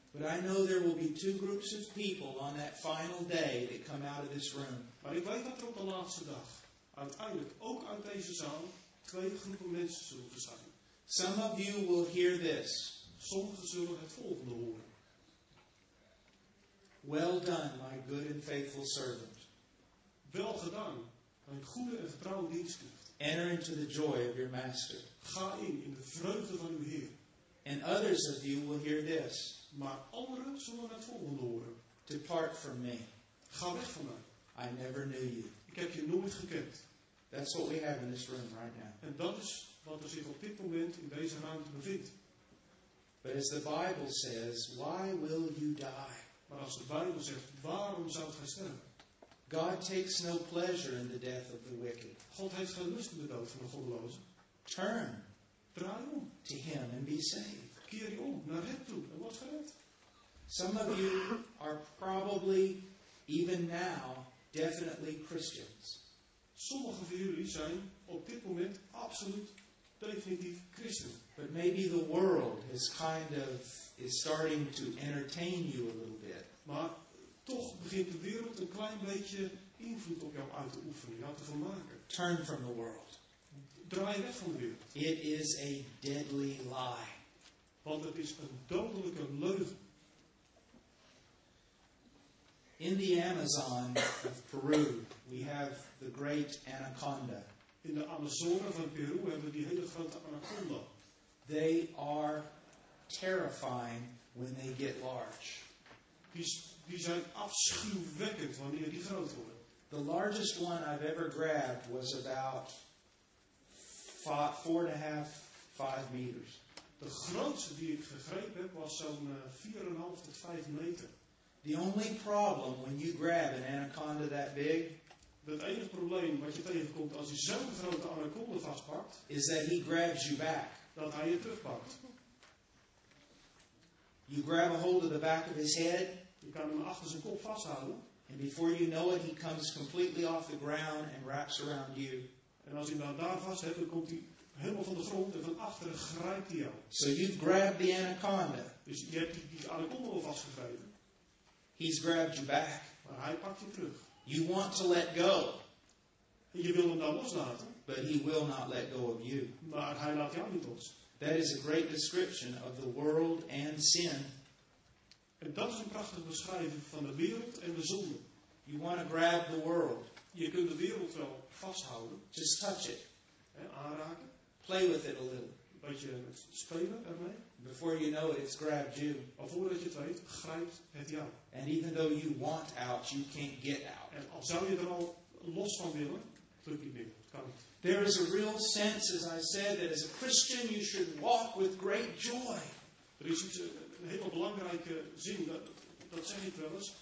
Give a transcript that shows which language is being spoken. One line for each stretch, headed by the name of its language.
English: But I know there will be two groups of people on that final day that come out of this room.
Dutch: Maar ik weet dat er op de laatste dag, uiteindelijk ook uit deze zaal, twee groepen mensen zullen verschijnen.
English: Some of you will hear this.
Dutch: Sommigen zullen het volgende horen.
English: Well done, my good and faithful servant.
Dutch: Wel gedaan, mijn goede en getrouwe dienstknecht.
English: Enter into the joy of your master.
Dutch: Ga in de vreugde van uw Heer.
English: And others of you will hear this.
Dutch: Maar anderen zullen het volgende horen.
English: Depart from me.
Dutch: Ga weg van mij.
English: I never knew you.
Dutch: Ik heb je nooit gekend.
English: That's what we have in this room right now.
Dutch: En dat is wat er zich op dit moment in deze ruimte bevindt.
English: But as the Bible says, why will you die?
Dutch: Maar als de Bijbel zegt, waarom zou gij sterven?
English: God takes no pleasure in the death of the wicked.
Dutch: God heeft geen lust in de dood van de goddelozen.
English: Turn.
Dutch: Draai om.
English: To him and be saved.
Dutch: Keer je om naar hem toe en word gered.
English: Some of you are probably, even now, definitely Christians.
Dutch: Sommige van jullie zijn op dit moment absoluut definitief christen.
English: But maybe the world is kind of is starting to entertain you a little bit.
Dutch: Maar toch begint de wereld een klein beetje invloed op jou uit te oefenen, jou te vermaken.
English: Turn from the world.
Dutch: Draai weg van de wereld.
English: It is a deadly lie.
Dutch: Want het is een dodelijke leugen.
English: In the Amazon of Peru, we have the great anaconda.
Dutch: In de Amazone van Peru hebben we die hele grote anaconda.
English: They are terrifying when they get large.
Dutch: Die zijn afschuwwekkend wanneer die groot worden.
English: The largest one I've ever grabbed was about 4.5 meters.
Dutch: De grootste die ik gegrepen heb was zo'n 4.5 tot 5 meter.
English: The only problem when you grab an anaconda that big,
Dutch: het enige probleem wat je tegenkomt als je zo'n grote anaconda vastpakt,
English: is that he grabs you back.
Dutch: Dat hij je terugpakt.
English: You grab a hold of the back of his head.
Dutch: Je kan hem achter zijn kop vasthouden.
English: And before you know it, he comes completely off the ground and wraps around you.
Dutch: En als je hem dan daar vast hebt, dan komt hij helemaal van de grond en van achteren grijpt hij jou.
English: So you've grabbed the anaconda.
Dutch: Dus je hebt die anaconda al vastgegrepen.
English: He's grabbed you back.
Dutch: Maar hij pakt je terug.
English: You want to let go.
Dutch: Je wil hem dan loslaten.
English: But he will not let go of you.
Dutch: Maar hij laat jou niet los.
English: That is a great description of the world and sin.
Dutch: En dat is een prachtige beschrijving van de wereld en de zonde.
English: You want to grab the world.
Dutch: Je kunt de wereld wel vasthouden.
English: Just touch it.
Dutch: En aanraken.
English: Play with it a little.
Dutch: Een beetje spelen ermee.
English: Before you know it, it's grabbed you.
Dutch: Al voordat je het weet, grijpt het jou.
English: And even though you want out, you can't get out.
Dutch: En al zou je er al los van willen, lukt niet meer. Kan niet.
English: There is a real sense, as I said, that as a Christian you should walk with great joy.
Dutch: Er is iets, een hele belangrijke zin, dat zeg ik wel eens.